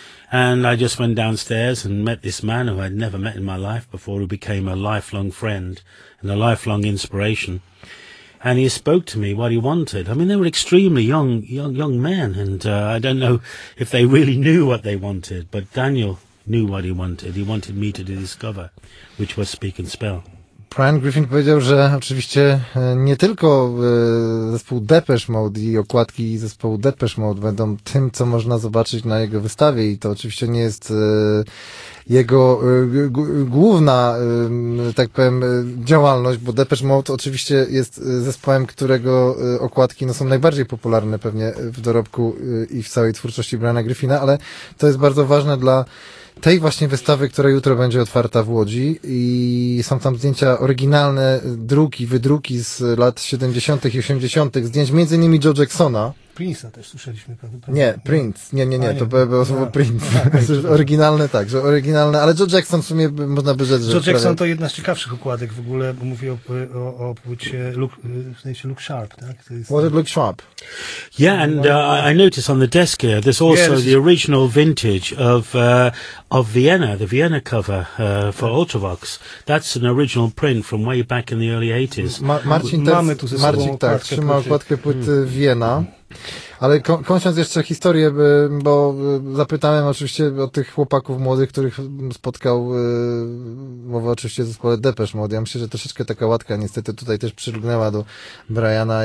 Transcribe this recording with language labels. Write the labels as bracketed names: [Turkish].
[English] And I just went downstairs and met this man who I'd never met in my life before, who became a lifelong friend and a lifelong inspiration. And he spoke to me what he wanted. I mean, they were extremely young men, and I don't know if they really knew what they wanted, but Daniel knew what he wanted. He wanted me to discover, which was Speak and Spell. [Polish] Brian Griffin powiedział, że oczywiście nie tylko zespół Depeche Mode i okładki zespołu Depeche Mode będą tym, co można zobaczyć na jego wystawie i to oczywiście nie jest jego główna, tak powiem, działalność, bo Depeche Mode oczywiście jest zespołem, którego okładki no, są najbardziej popularne pewnie w dorobku i w całej twórczości Briana Griffina, ale to jest bardzo ważne dla tej właśnie wystawy, która jutro będzie otwarta w Łodzi i są tam zdjęcia oryginalne, druki, wydruki z lat 70. i 80. zdjęć m.in. Joe Jacksona. Prince'a też słyszeliśmy, prawda? Nie, Prince. Nie, to było słowo Prince. Oryginalne, tak, że oryginalne, ale George Jackson w sumie można by rzec, że... George Jackson to jedna z ciekawszych układek w ogóle, bo mówię o płycie Luke, w sensie Luke Sharp, tak? [English] Was it Luke Sharp? Yeah, and I noticed on the desk here, there's also the original vintage of Vienna, the Vienna cover for Ultravox. That's an original print from way back in the early 80s. [Polish] Marcin tak, trzyma okładkę płyty Vienna. Ale kończąc jeszcze historię, bo zapytałem oczywiście o tych chłopaków młodych, których spotkał, mowa oczywiście o zespole Depeche Mode. Ja myślę, że troszeczkę taka łatka niestety tutaj też przylgnęła do Briana.